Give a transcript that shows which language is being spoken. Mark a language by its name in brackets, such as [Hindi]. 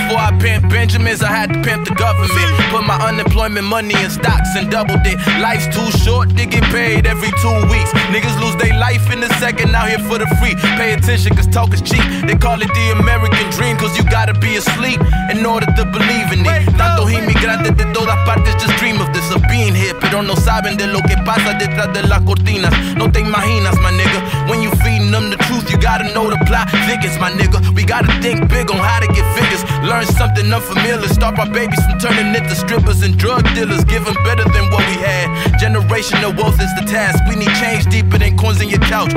[English] Before I pimp Benjamins, I had to pimp the government. Put my unemployment money in stocks and doubled it. Life's too short to get paid every 2 weeks. Niggas lose their life in a second, out here for the free. Pay attention, cause talk is cheap. They call it the American dream, cause you gotta be asleep in order to believe in it. [Spanish] Tanto inmigrante de todas partes [English] just dream of this, of being here. [Spanish] Pero no saben de lo que pasa detrás de las cortinas. No te imaginas, [English] my nigga. When you feeding them the truth, you gotta know the plot thickens, my nigga. We gotta think big on how to get figures. Learn something unfamiliar. Stop our babies from turning into strippers and drug dealers. Give them better than what we had. Generational wealth is the task. We need change deeper than coins in your couch.